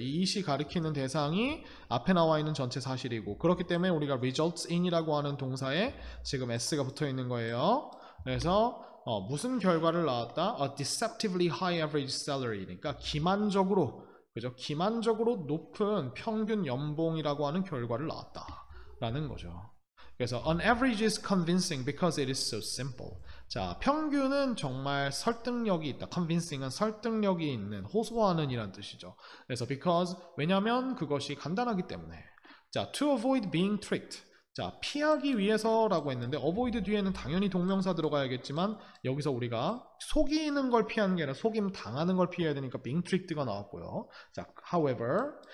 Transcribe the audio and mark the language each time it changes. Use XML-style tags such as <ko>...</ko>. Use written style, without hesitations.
<ko>이 it이 가리키는 대상이 앞에 나와 있는 전체 사실이고 그렇기 때문에 우리가</ko> <en>results in</en> <ko>이라고 하는 동사에 지금 s가 붙어 있는 거예요. 그래서 무슨 결과를 나왔다?</ko> <en>A deceptively high average salary</en> <ko>니까 기만적으로 그죠? 기만적으로 높은 평균 연봉이라고 하는 결과를 나왔다라는 거죠.</ko> <en>그래서 an average is convincing because it is so simple.</en> <ko>자, 평균은 정말 설득력이 있다. convincing은 설득력이 있는, 호소하는 이란 뜻이죠. 그래서 because, 왜냐면 그것이 간단하기 때문에. 자,</ko> <en>to avoid being tricked.</en> <ko>자, 피하기 위해서라고 했는데, avoid 뒤에는 당연히 동명사 들어가야겠지만, 여기서 우리가 속이는 걸 피하는 게 아니라 속임 당하는 걸 피해야 되니까</ko> <en>being tricked</en> <ko>가 나왔고요. 자,</ko> <en>however.</en>